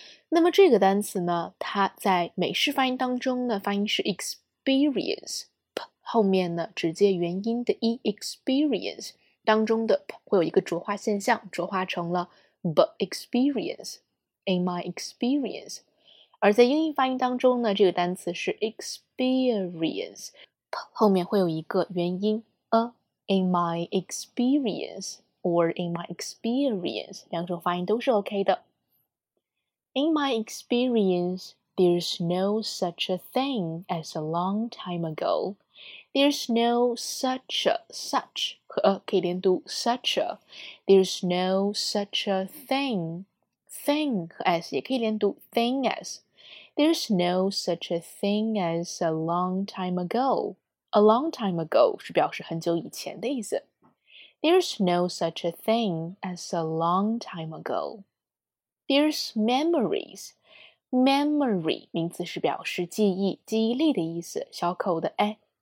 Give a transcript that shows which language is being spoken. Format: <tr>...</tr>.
<zh>那么这个单词呢，它在美式发音当中呢，发音是 experience， 后面呢直接元音的 e experience 当中的会有一个浊化现象，浊化成了 b experience in my experience。而在英音发音当中呢，这个单词是 experience， 后面会有一个元音 a</zh> <en>in my experience or in my experience，</en> <zh>两种发音都是 OK 的。</zh> <en>In my experience, there's no such a thing as a long time ago. There's no such a, such,</en> <zh>和 a 可以连读 such a.</zh> <en>There's no such a thing,</en> <zh>thing 和 s 也可以连读 thing as.</zh> <en>There's no such a thing as a long time ago. A long time ago</en> <zh>是表示很久以前的意思。</zh> <en>There's no such a thing as a long time ago. There's memories.</en> <zh>Memory 名词是表示记忆、记忆力的意思，小口的 a</zh>